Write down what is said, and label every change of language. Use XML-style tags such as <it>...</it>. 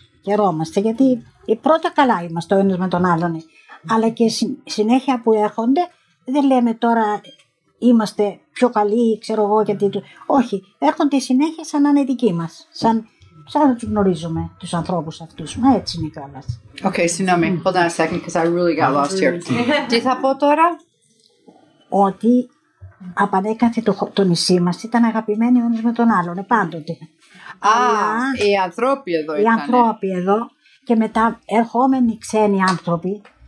<el>Χαιρόμαστε, γιατί πρώτα καλά είμαστε ο ένας με τον άλλον. Αλλά και συνέχεια που έρχονται, δεν λέμε τώρα είμαστε πιο καλοί, ξέρω εγώ γιατί. Όχι, έρχονται συνέχεια σαν να είναι δικοί μας. Σαν να τους γνωρίζουμε τους ανθρώπους αυτούς. Μα έτσι είναι η καλά.</el> <en>Okay,</en> <el>συγγνώμη,</el> <en>hold on a second, because I really got lost here.</en> <el>Τι θα πω τώρα? Ότι απανέκαθε το νησί μας ήταν αγαπημένοι ο ένας με τον άλλον, πάντοτε. Οι ανθρώποι εδώ ήταν. Οι ανθρώποι εδώ, και μετά ερχόμενοι ξένοι άνθρωποι.</el>